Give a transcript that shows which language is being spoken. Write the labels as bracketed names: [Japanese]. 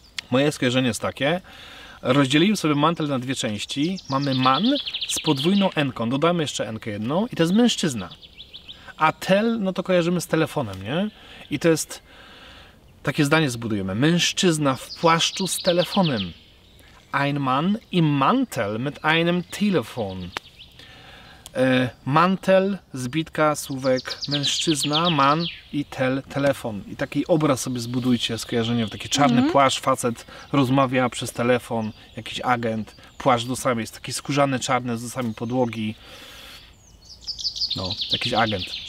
[Polish] Moje skojarzenie jest takie. Rozdzieliłem sobie mantel na dwie części. Mamy man z podwójną n-ką. Dodamy jeszcze n-kę jedną i to jest mężczyzna. A tel, no to kojarzymy z telefonem, nie? I to jest... Takie zdanie zbudujemy. Mężczyzna w płaszczu z telefonem. [German] Ein Mann im Mantel mit einem Telefon. [Polish] Mantel, zbitka, słówek mężczyzna, man i telefon. I taki obraz sobie zbudujcie, skojarzenie, taki czarny płaszcz, facet rozmawia przez telefon, jakiś agent, płaszcz do samej, jest taki skórzany, czarny, z usami podłogi. No, jakiś agent.